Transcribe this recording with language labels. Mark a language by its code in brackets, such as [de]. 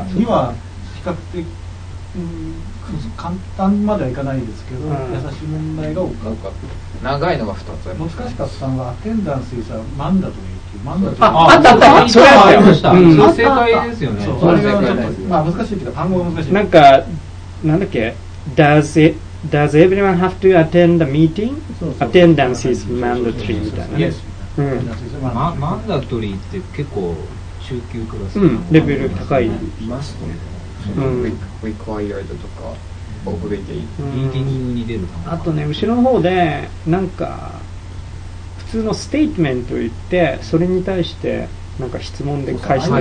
[ja] 2は比較的、簡単まではいかないんですけど、うん、優しい問題が多かった。長いのが2つあります。難しかったのは、アテンダンスさ、マンダという。あったあった、それはありました。それ正解ですよね。そう、それがちょっと、まあ難しいけど、単語が難しい。なんか、なんだっけ、 [en] Does everyone have to attend the meeting? Attendance is mandatory [ja] みたいな。うん、マンダトリーって結構中級クラス、うん、レベル高い。マストね。うん。Required とか、オブレイティ。リーディングに出るかも。あとね、後ろの方で、なんか、普通のステートメントを言って、それに対して、なんか質問で返した